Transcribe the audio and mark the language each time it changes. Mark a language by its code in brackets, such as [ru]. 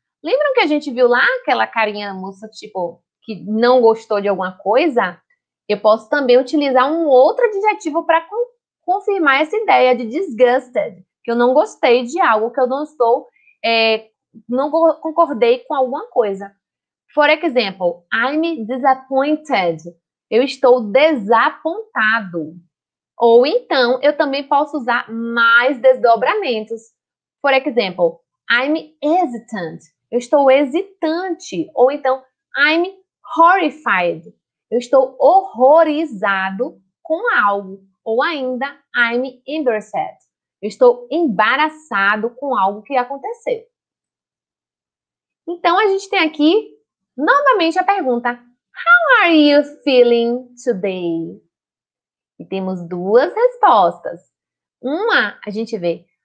[pt] Lembram que a gente viu lá aquela carinha moça, tipo, que não gostou de alguma coisa? Eu posso também utilizar um outro adjetivo para confirmar essa ideia de disgusted, que eu não gostei de algo, que eu não estou, não concordei com alguma coisa. [en] For example, I'm disappointed. [pt] Eu estou desapontado. Ou então, eu também posso usar mais desdobramentos. [en] For example, I'm hesitant. [pt] Eu estou hesitante. Ou então, [en] I'm horrified. [pt] Eu estou horrorizado com algo. Ou ainda, [en] I'm embarrassed. [pt] Eu estou embaraçado com algo que aconteceu. Então, a gente tem aqui novamente a pergunta: [en] How are you feeling today? [pt] E temos duas respostas. Uma, a gente vê.